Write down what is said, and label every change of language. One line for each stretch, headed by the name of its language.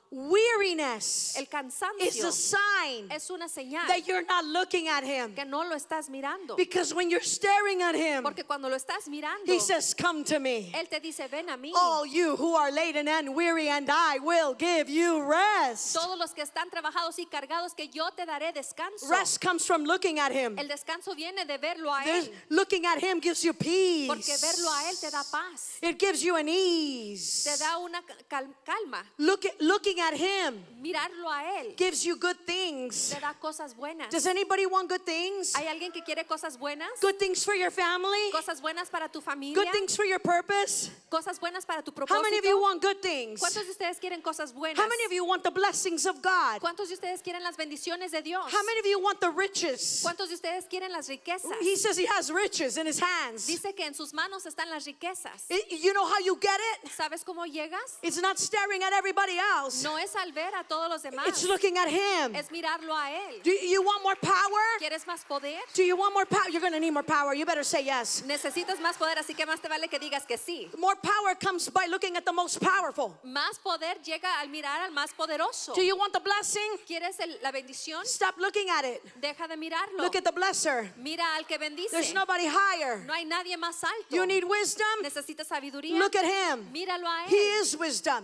English: Weariness.
Spanish: El cansancio.
English: Is a sign.
Spanish: Es una señal.
English: That you're not looking at Him.
Spanish: Que no lo estás mirando.
English: Because when you're staring at Him.
Spanish: Porque cuando lo estás mirando.
English: He says, "Come to me."
Spanish: Él te dice, "Ven a mí."
English: All you who are laden and weary, and I will give you rest.
Spanish: Todos los que están trabajados y cargados, que yo te daré descanso.
English: Rest comes from looking at Him.
Spanish: El descanso viene de verlo a él.
English: Looking at Him gives you peace.
Spanish: Porque verlo a él te da paz.
English: It gives you an ease.
Spanish: Te da una calma.
English: Looking at Him,
Spanish: mirarlo a él,
English: gives you good things.
Spanish: Te da cosas buenas.
English: Does anybody want good things?
Spanish: ¿Hay alguien que quiere cosas buenas?
English: Good things for your family?
Spanish: Cosas buenas para tu familia?
English: Good things for your purpose?
Spanish: Cosas buenas para tu propósito?
English: How many of you want good things?
Spanish: ¿Cuántos de ustedes quieren cosas buenas?
English: How many of you want the blessings of God?
Spanish: ¿Cuántos de ustedes quieren las bendiciones de Dios?
English: How many of you want the riches?
Spanish: ¿Cuántos de ustedes quieren las riquezas?
English: He says he has riches in his hands.
Spanish: Dice que en sus manos están las riquezas.
English: You know how you get it?
Spanish: ¿Sabes cómo llegas?
English: It's not staring at everybody else.
Spanish: No es al ver a todos los demás.
English: It's looking at Him.
Spanish: Es mirarlo a él.
English: Do you want more power?
Spanish: ¿Quieres más poder?
English: Do you want more power? You're going to need more power. You better say yes.
Spanish: Necesitas más poder, así que más te vale que digas que sí.
English: More power comes by looking at the most powerful.
Spanish: Más poder llega al mirar al más poderoso.
English: Do you want the blessing?
Spanish: ¿Quieres la bendición?
English: Stop looking at it.
Spanish: Deja de mirarlo.
English: Look at the blesser.
Spanish: Mira al que bendice.
English: There's nobody higher.
Spanish: No hay nadie más alto.
English: You need wisdom.
Spanish: Necesitas sabiduría.
English: Look at Him.
Spanish: Míralo a él.
English: He is wisdom.